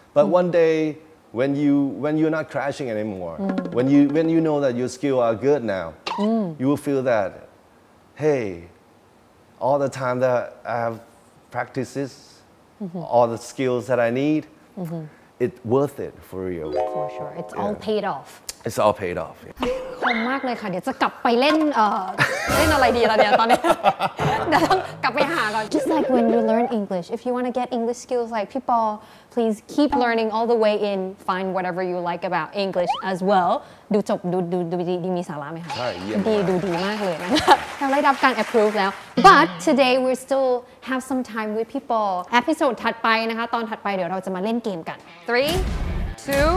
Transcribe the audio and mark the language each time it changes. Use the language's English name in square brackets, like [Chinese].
[English] But one day, when you're not crashing anymore, when you know that your skills are good now, you will feel that, hey, all the time that I have practices, all the skills that I need, it's worth it for you. For sure, it's all paid off. It's all paid off. [Thai] คมมากเลยค่ะเดี๋ยวจะกลับไปเล่นเล่นอะไรดีล่ะเนี่ยตอนนี้เดี๋ยวต้องกลับไปหาก่อน [English] Just like when you learn English, if you want to get English skills like people, please keep learning all the way in. Find whatever you like about English as well. [Thai] ดูจบดูดีมีสาระไหมคะ ใช่ ดีดูดีมากเลยนะคะได้รับการ approve แล้ว [English] But today we still have some time with people. [Thai] Episode ถัดไปนะคะตอนถัดไปเดี๋ยวเราจะมาเล่นเกมกัน 3, 2, 1